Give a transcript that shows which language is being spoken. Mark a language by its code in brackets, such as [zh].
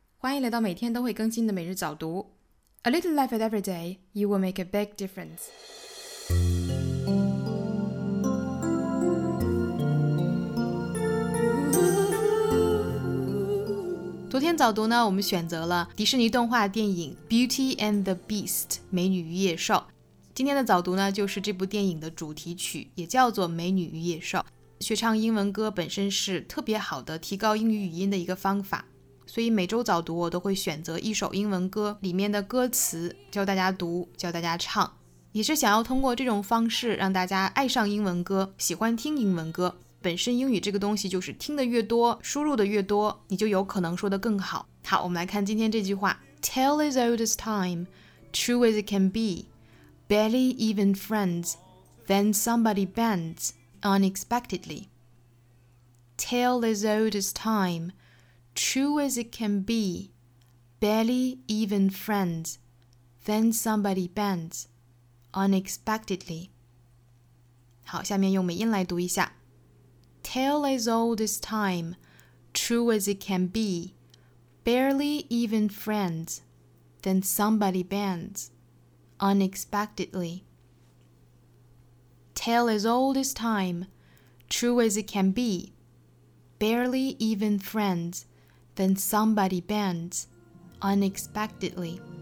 [zh] 欢迎来到每天都会更新的每日早读。 [en] A little life at every day, you will make a big difference. [zh] 昨天早读呢，我们选择了迪士尼动画电影 Beauty and the Beast, 美女与野兽。今天的早读呢，就是这部电影的主题曲，也叫做美女与野兽。学唱英文歌本身是特别好的提高英语语音的一个方法，所以每周早读我都会选择一首英文歌里面的歌词教大家读，教大家唱，也是想要通过这种方式让大家爱上英文歌，喜欢听英文歌。本身英语这个东西就是听得越多，输入的越多，你就有可能说得更好。好，我们来看今天这句话。 [en] Tale as old as time, true as it can be, barely even friends, then somebody bends. Unexpectedly. Tale as old as time, true as it can be, barely even friends, then somebody bends, unexpectedly. [zh] 好，下面用美音来读一下。 [en] Tale as old as time, true as it can be, barely even friends, then somebody bends, unexpectedly. Tale as old as time, true as it can be, barely even friends, then somebody bends, unexpectedly.